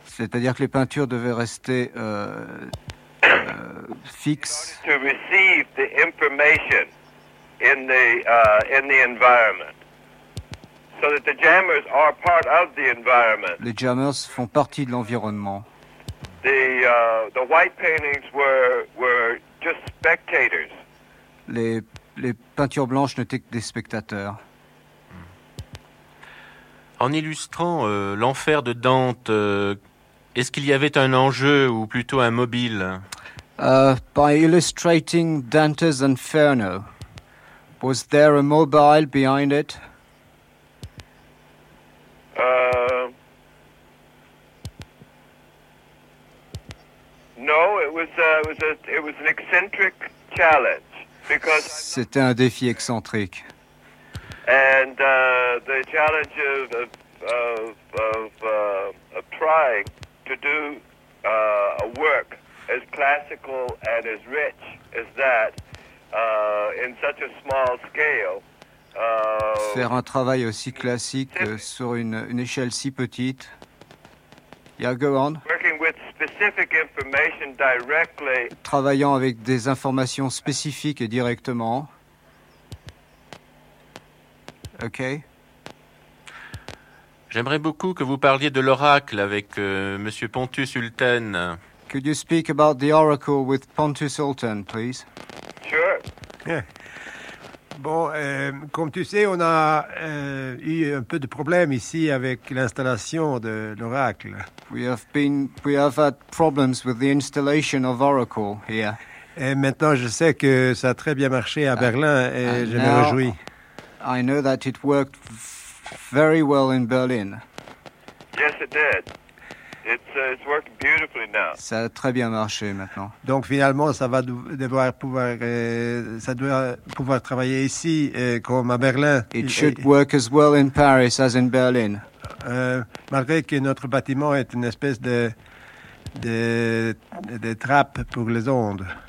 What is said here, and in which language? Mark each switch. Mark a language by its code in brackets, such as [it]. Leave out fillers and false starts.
[fr] C'est-à-dire que les peintures devaient rester fixes. [en] In order to receive the information in the environment, so that the jammers are part of the environment. [fr] Les jammers font partie de l'environnement. [en] The white paintings were just spectators. [fr] Les peintures blanches n'étaient que des spectateurs. En illustrant l'enfer de Dante, est-ce qu'il y avait un enjeu ou plutôt un mobile? [en] By illustrating Dante's Inferno, was there a mobile behind it? No, it was an eccentric challenge because [fr] c'était un défi excentrique. [en] And the challenge of trying to do a work as classical and as rich as that in such a small scale. [fr] Faire un travail aussi classique sur une échelle si petite. Yeah, go on. [en] Working with specific information directly. [fr] Travaillant avec des informations spécifiques directement. OK. J'aimerais beaucoup que vous parliez de l'oracle avec Monsieur Pontus Ultan. [en] Could you speak about the oracle with Pontus Ultan, please? Sure. Yeah. [fr] Bon, comme tu sais, on a eu un peu de problèmes ici avec l'installation de l'oracle. [en] We have had problems with the installation of Oracle here. [fr] Et maintenant, je sais que ça a très bien marché à Berlin et je me réjouis. [en] I know that it worked very well in Berlin. Yes, it did. It's worked beautifully now. [fr] Ça a très bien marché maintenant. Donc finalement, ça va devoir pouvoir, ça doit pouvoir travailler ici comme à Berlin. [en] It should work as well in Paris as in Berlin. [fr] Malgré que notre bâtiment est une espèce de trappe pour les ondes.